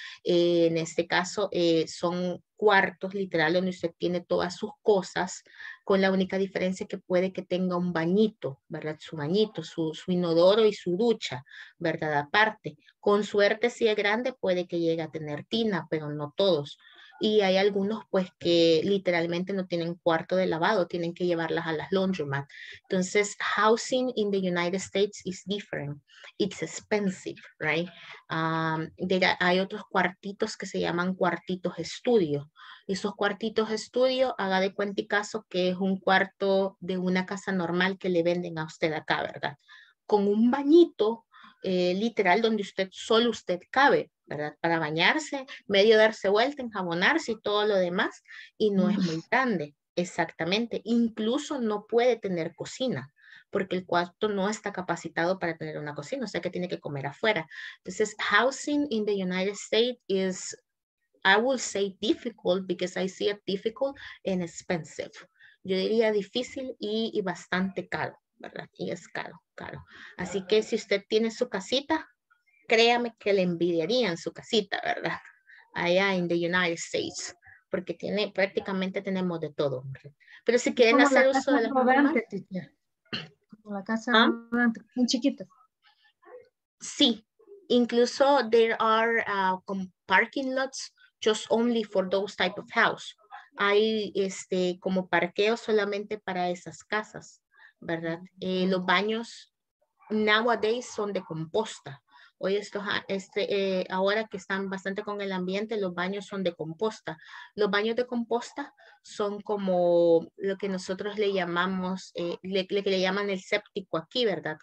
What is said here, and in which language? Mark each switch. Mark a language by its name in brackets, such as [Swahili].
[Spanish] En este caso, son cuartos, literal, donde usted tiene todas sus cosas, con la única diferencia que puede que tenga un bañito, ¿verdad? Su bañito, su inodoro y su ducha, ¿verdad? Aparte, con suerte, si es grande, puede que llegue a tener tina, pero no todos. Y hay algunos, pues, que literalmente no tienen cuarto de lavado, tienen que llevarlas a las laundromats. [English] Entonces, housing in the United States is different. It's expensive, right? [Spanish] Hay otros cuartitos que se llaman cuartitos estudios. esos cuartitos estudio, haga de cuenta y caso que es un cuarto de una casa normal que le venden a usted acá, ¿verdad? Con un bañito literal donde usted, solo usted cabe, ¿verdad? Para bañarse, medio darse vuelta, enjabonarse y todo lo demás, y no es muy grande, exactamente. Incluso no puede tener cocina, porque el cuarto no está capacitado para tener una cocina, o sea que tiene que comer afuera. [English] Entonces, housing in the United States is, I would say difficult, because I see it difficult and expensive. [Spanish] Yo diría difícil y bastante caro, ¿verdad? Y es caro, caro. Así que si usted tiene su casita, créame que le envidiarían su casita, ¿verdad? Allá en the United States, porque tiene, prácticamente tenemos de todo, ¿verdad? Pero si quieren hacer uso de la casa, la casa muy chiquita. Sí, incluso [English] there are [Spanish] como [English] parking lots just only for those type of house. [Spanish] Hay este como parqueo solamente para esas casas, ¿verdad? Los baños nowadays son de composta. Hoy ahora que están bastante con el ambiente, los baños son de composta. Los baños de composta son como lo que nosotros le llamamos, le llaman el séptico aquí, ¿verdad?